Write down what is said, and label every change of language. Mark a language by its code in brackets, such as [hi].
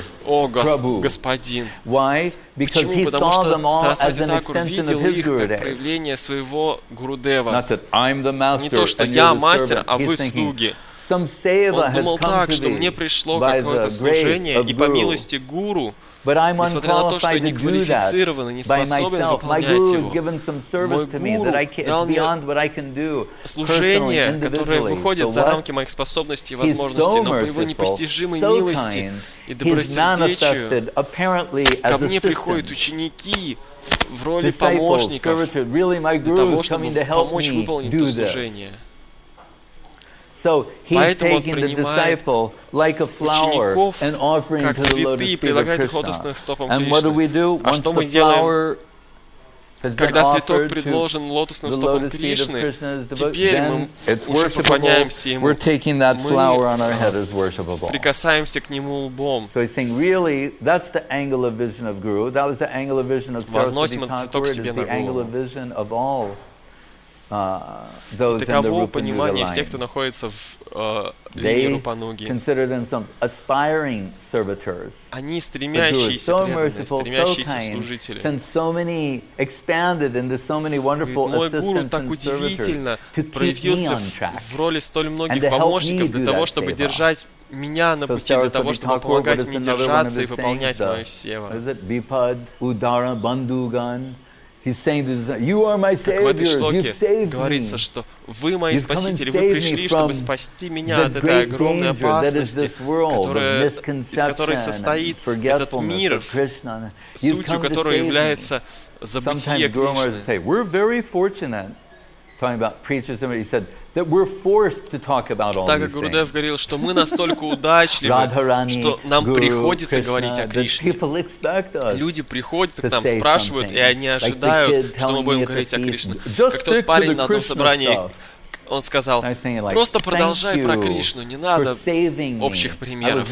[ru] О, господин! Почему? Потому что Сарасвати Такур видел их как проявление своего гурудева. Не то, что я мастер, а вы слуги. Он думал так, что мне пришло какое-то служение, и по милости гуру, [en] but I'm unqualified [ru] несмотря на то, что не квалифицирован и не способен выполнять его. [en] My guru has given some service to me that I can't, it's beyond what I can do. [ru] Служение, которое выходит за рамки моих способностей и возможностей, но по его непостижимой милости и добросердечию, ко мне приходят ученики в роли помощников для того, чтобы помочь выполнить то служение. [en] So he's taking the disciple like a flower and offering to the lotus feet of Krishna. And what do we do? Once the flower has been offered to the lotus feet of Krishna, then it's worshipable. We're taking that flower on our head as worshipable. So he's saying, really, that's the angle of vision of Guru. That was the angle of vision of Saraswati Thakur. It is the angle of vision of all [ru] таково понимание всех, кто находится в линии Рупануги. Они стремящиеся, преданные, стремящиеся служители. Мой гуру так удивительно проявился в роли столь многих помощников для того, чтобы держать меня на пути, для того, чтобы помогать мне держаться и выполнять мою сева. [sa] Випад, удара, бандуган. [en] He's saying, "You are my savior. You saved me." [ru] Говорится, что вы мои спасители. Вы пришли, чтобы спасти меня от этой огромной опасности, из которой состоит этот мир, сутью которой является забытие Кришны. [en] We're very fortunate. Talking about preachers, and he said that we're forced to talk about all these things. [ru] Так Гурудев говорил, что мы настолько удачливы, что нам приходится говорить о Кришне. Люди приходят к нам, спрашивают, и они ожидают, что мы будем говорить о Кришне. Как тот парень на одном собрании, он сказал: просто продолжай про Кришну, не надо общих примеров.